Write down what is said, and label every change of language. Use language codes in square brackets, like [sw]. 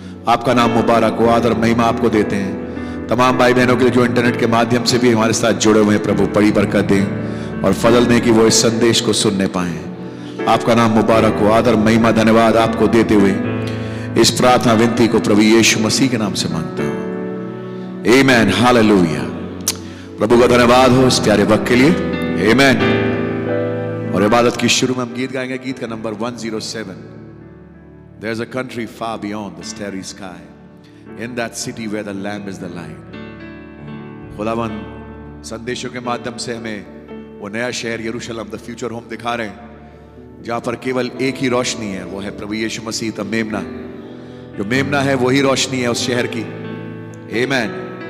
[hi] आपका नाम मुबारक हो, आदर महिमा आपको देते हैं। तमाम भाई बहनों के लिए जो इंटरनेट के माध्यम से भी हमारे साथ जुड़े हुए हैं प्रभु, बड़ी बरकत दें और फजल दें कि वो इस संदेश को सुनने पाएं। आपका नाम मुबारक हो, आदर महिमा धन्यवाद आपको देते हुए इस प्रार्थना विनती को प्रभु यीशु मसीह के नाम से मांगता हूं, आमेन हालेलुया। प्रभु का धन्यवाद हो इस प्यारे वक्त के लिए, आमेन। और इबादत की शुरू में हम गीत गाएंगे, गीत का number 107, [en] There's a country far beyond the starry sky, in that city where the lamb is the light. [hi] खुदावन संदेशों के माध्यम से हमें वो नया शहर यरूशलम, [en] the future home [hi] दिखा रहे हैं, जहाँ पर केवल एक ही रोशनी है, वो है प्रभु यीशु मसीह, द मेमना। जो मेमना है वही रोशनी है उस शहर की, आमेन।